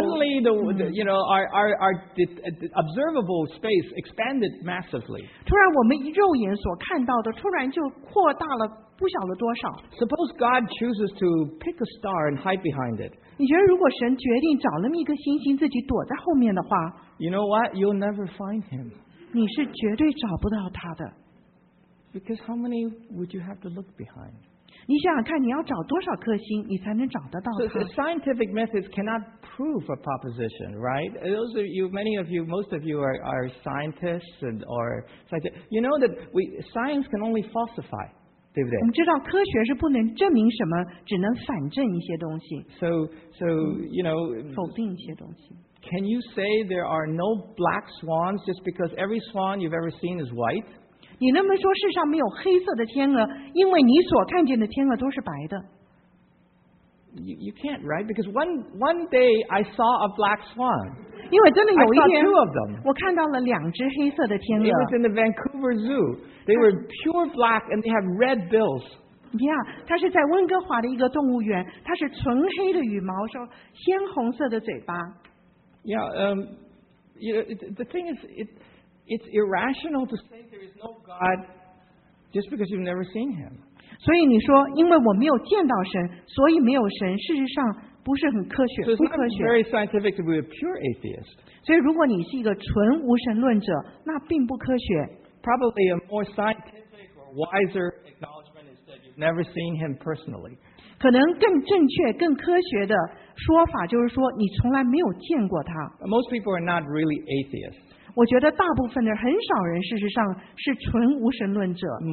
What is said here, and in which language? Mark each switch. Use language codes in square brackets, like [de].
[en] Suddenly, the you know, our observable space expanded massively. [zh] 突然，我们肉眼所看到的突然就扩大了。不晓得多少。 [en] Suppose God chooses to pick a star and hide behind it. [zh] 你觉得如果神决定找那么一个星星自己躲在后面的话 [en] ？You know what? You'll never find him. [zh] 你是绝对找不到他的。 [en] Because how many would you have to look behind? [zh] 你想想看，你要找多少颗星，你才能找得到他 [en] ？So scientific methods cannot prove a proposition, right? Those of you, many of you, most of you are scientists and or scientists. You know that science can only falsify. [zh] 对不对？我们知道科学是不能证明什么，只能反证一些东西。 [en] So you know, [zh] 否定一些东西。 [en] Can you say there are no black swans just because every swan you've ever seen is white? [zh] 你能不能说世上没有黑色的天鹅，因为你所看见的天鹅都是白的 [en] ？You can't, right? Because one day I saw a black swan. [zh] 因为真的有一天， [en] I saw two of them. [zh] 我看到了两只黑色的天鹅。 [en] It was in the Vancouver Zoo. They were pure black and they have red bills. [zh] Yeah, 它是在温哥华的一个动物园，它是纯黑的羽毛，说鲜红色的嘴巴。 [en] Yeah, you know, the thing is, it's irrational to say there is no God just because you've never seen him. [zh] 所以你说，因为我没有见到神，所以没有神，事实上不是很科学，不科学。 [en] So it's not very scientific to be a pure atheist. [zh] 所以如果你是一个纯无神论者，那并不科学。 [en] Probably a more scientific or wiser acknowledgement is that you've never seen him personally. [zh] 可能更正确、更科学的说法就是说，你从来没有见过他。 [en] Most people are not really atheists. [zh] 我觉得大部分的很少人，事实上是纯无神论者。